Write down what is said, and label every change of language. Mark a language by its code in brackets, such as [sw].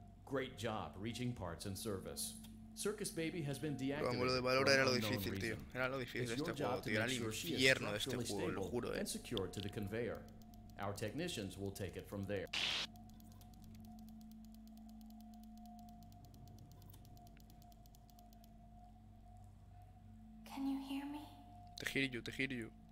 [en] Great job reaching parts and service. Circus Baby has been deactivated. [es] Lo de valor era lo difícil, tío. Era lo difícil de este juego, tío. Era el infierno de este juego, lo juro, eh. [en] And secured to the conveyor. Our technicians will take it from there. Can you hear me? Te hear you.